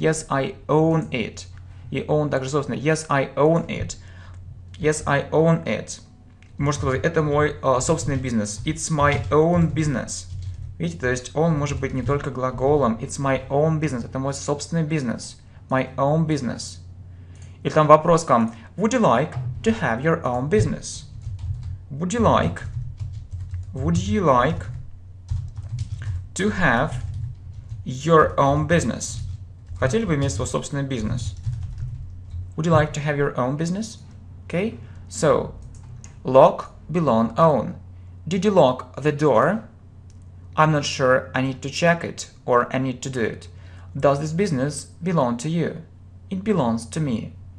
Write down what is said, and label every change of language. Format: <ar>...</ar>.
<en>Yes, I own it.</en> <ru>И own также собственно.</ru> <en>Yes, I own it. Yes, I own it.</en> <ru>Можно сказать, это мой собственный бизнес.</ru> <en>It's my own business.</en> <ru>Видите, то есть он может быть не только глаголом.</ru> <en>It's my own business.</en> <ru>Это мой собственный бизнес.</ru> <en>My own business.</en> <ru>Или там вопрос к вам.</ru> <en>Would you like to have your own business? Would you like? Would you like to have your own business.</en> <ru>Хотели бы иметь свой собственный бизнес?</ru> <en>Would you like to have your own business? Okay. So, lock, belong, own. Did you lock the door? I'm not sure I need to check it or I need to do it. Does this business belong to you? It belongs to me.</en>